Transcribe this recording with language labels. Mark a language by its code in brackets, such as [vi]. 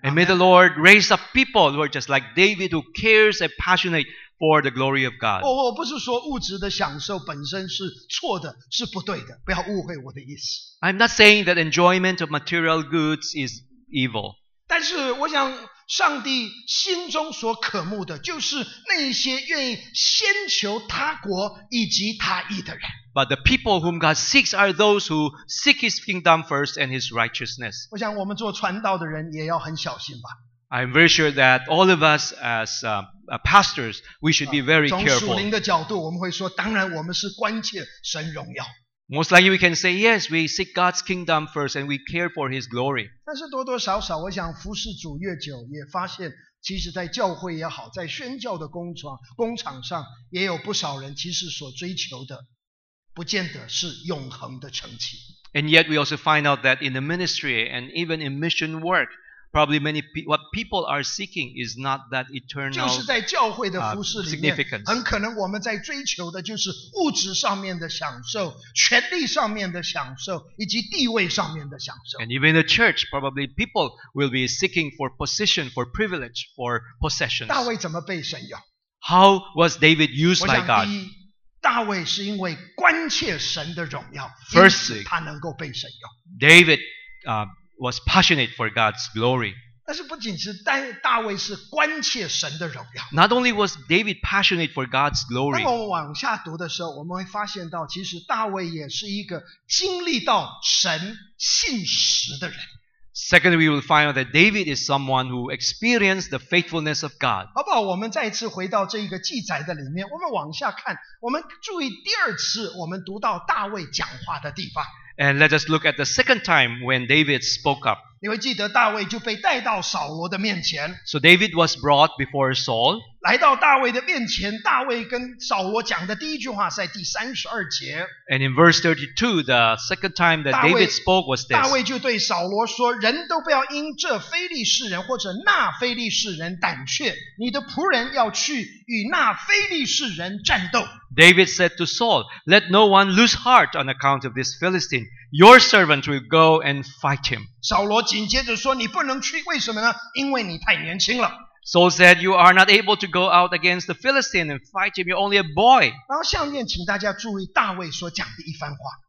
[en] And may the Lord raise up people who are just like David, who cares and passionate for the glory of God. [zh] 我不是说物质的享受本身是错的，是不对的，不要误会我的意思。 [en] I'm not saying that enjoyment of material goods is evil. [zh] 但是我想上帝心中所渴慕的就是那些愿意先求他国以及他义的人。 [en] But the people whom God seeks are those who seek his kingdom first and his righteousness. [zh] 我想我们做传道的人也要很小心吧。 [en] I'm very sure that all of us as pastors, we should be very careful. [zh] 从属灵的角度我们会说，当然我们是关切神荣耀。 [en] Most likely we can say, yes, we seek God's kingdom first and we care for his glory. [zh] 但是多多少少我想服侍主越久也发现，其实在教会也好，在宣教的工厂上也有不少人其实所追求的不见得是永恒的成绩。 [en] And yet we also find out that in the ministry and even in mission work, probably many what people are seeking is not that eternal significance. [zh] 很可能我们在追求的就是物质上面的享受，权力上面的享受，以及地位上面的享受。 [en] And even in the church, probably people will be seeking for position, for privilege, for possessions. [zh] 大卫怎么被神用？ [en] How was David used by God? [zh] 大卫是因为关切神的荣耀， [en] Firstly, [zh] 因此他能够被神用。 [en] David, was passionate for God's glory. [zh] 但是不仅是大卫是关切神的荣耀。 [en] Not only was David passionate for God's glory. [zh] 那么我们往下读的时候，我们会发现到，其实大卫也是一个经历到神信实的人。 [en] Secondly, we will find out that David is someone who experienced the faithfulness of God. [zh] 好不好？我们再一次回到这一个记载的里面，我们往下看，我们注意第二次我们读到大卫讲话的地方。 [en] And let us look at the second time when David spoke up. [zh] 你会记得大卫就被带到扫罗的面前。 [en] So David was brought before Saul. [zh] 来到大卫的面前，大卫跟扫罗讲的第一句话在第三十二节。 [en] And in verse 32, the second time that David spoke was this. [zh] 大卫就对扫罗说，人都不要因这非利士人或者那非利士人胆怯，你的仆人要去与那非利士人战斗。 [en] David said to Saul, let no one lose heart on account of this Philistine. Your servant will go and fight him. [zh] 扫罗紧接着说，你不能去，为什么呢？因为你太年轻了。 [en] Saul said, you are not able to go out against the Philistine and fight him. You're only a boy. [zh] 然后下面请大家注意大卫所讲的一番话。